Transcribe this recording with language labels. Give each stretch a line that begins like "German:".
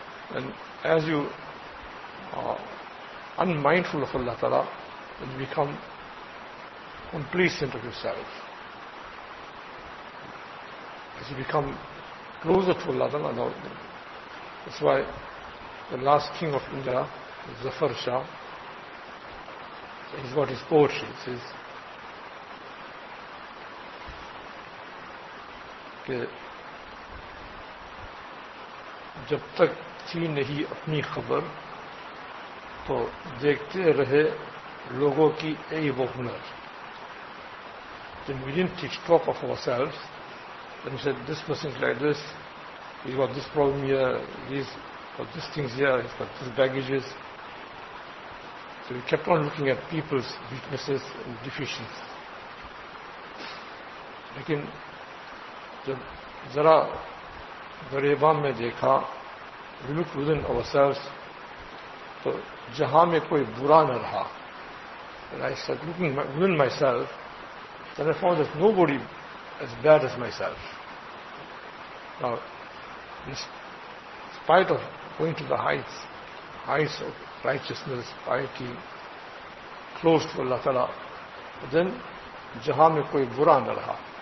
English: And as you are unmindful of Allah Ta'ala, then you become complacent of yourself. As you become closer to Allah Ta'ala, now, that's why the last king of India, Zafar Shah, he's got his poetry. It says,
Urdu: جب تک تھی نہیں اپنی خبر تو دیکھتے رہے لوگوں کی ای وہ ہنر.
English: Then we didn't teach talk of ourselves. Then we said, this person is like this, he's got this problem here, he's got these things here, he's got these baggages. So we kept on looking at people's weaknesses and deficiencies.
Urdu: لیکن جب ذرا غریبان میں دیکھا,
English: we looked within ourselves,
Urdu: تو جہاں میں کوئی برا نہ رہا.
English: And I started looking within myself, then I found that nobody as bad as myself. Now, in spite of going to the heights of righteousness, piety, close to Allah Ta'ala, then
Urdu: جہاں میں کوئی برا نہ رہا.